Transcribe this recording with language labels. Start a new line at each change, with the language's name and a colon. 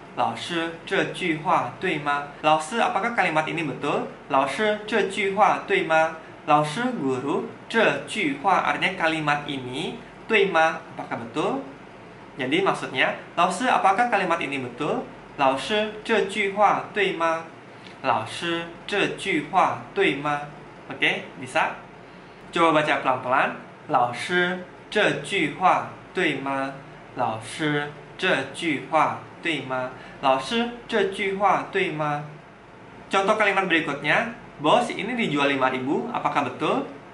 Chinese: 老师，这句话对吗？老师，
Indonesian: apakah kalimat ini betul?
Chinese: 老师，这句话对吗？老师
Indonesian: guru
Chinese: 这句话
Indonesian: artinya kalimat ini
Chinese: 对吗
Indonesian: apakah betul? Jadi maksudnya
Chinese: 老师
Indonesian: apakah kalimat ini betul?
Chinese: 老师这句话 对吗 老师这句话 对吗
English: OK,
Indonesian: bisa? Coba baca pelan-pelan
Chinese: 老师这句话 对吗 老师这句话 对吗
Indonesian: 老师这句话 对吗 Contoh kalimat berikutnya,Bos, ini dijual 5.000, apakah betul?